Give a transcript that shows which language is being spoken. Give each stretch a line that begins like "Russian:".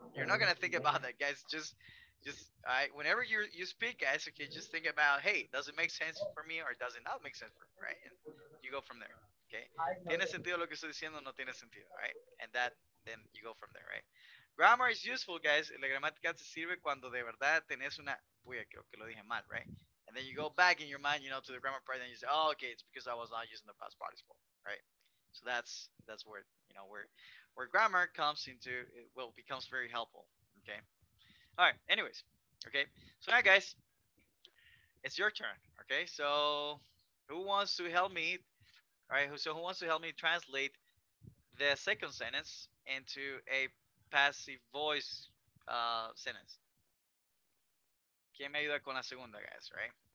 English: You're not going to think about that, guys. Just, whenever you speak, guys, okay, just think about, hey, does it make sense for me or does it not make sense for me, right? And you go from there, okay?
Spanish: ¿Tiene sentido lo que estoy diciendo? No tiene sentido,
English: right? And that, then you go from there, right? Grammar is useful, guys.
Spanish: La gramática te sirve cuando de verdad tenés una... Uy, creo que lo dije mal, right?
English: And then you go back in your mind, you know, to the grammar part, and you say, oh, okay, it's because I was not using the past participle, right? So that's where, you know, where grammar comes into, it will becomes very helpful, okay? All right, anyways, okay? So now, guys, it's your turn, okay? So who wants to help me, all right? So who wants to help me translate the second sentence into a passive voice sentence?
Spanish: ¿Quién me ayuda con la segunda, guys, right?